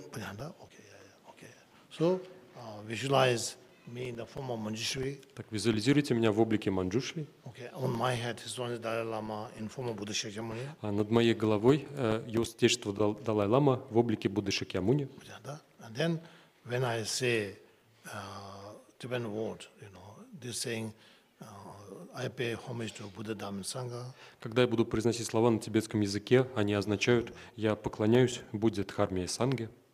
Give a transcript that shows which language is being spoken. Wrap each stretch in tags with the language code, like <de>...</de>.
<en>Понятно? Okay, yeah. Okay. So, visualize me in the form of Manjushri.</en> <ru>Так визуализируйте меня в облике Манджушри.</ru> <en>Okay. On my head is Swami Dalai Lama in form of Buddha Shakyamuni.</en> <ru>А над моей головой его святейшество Далай Лама в облике Будды Шакьямуни. Понятно?</ru> <en>And then, when I say Tibetan word, you know, this saying, I pay homage to Buddha, Dhamma, Sangha.</en> <ru>Когда я буду произносить слова на тибетском языке, они означают, я поклоняюсь Будде, Дхарме и Санге.</ru>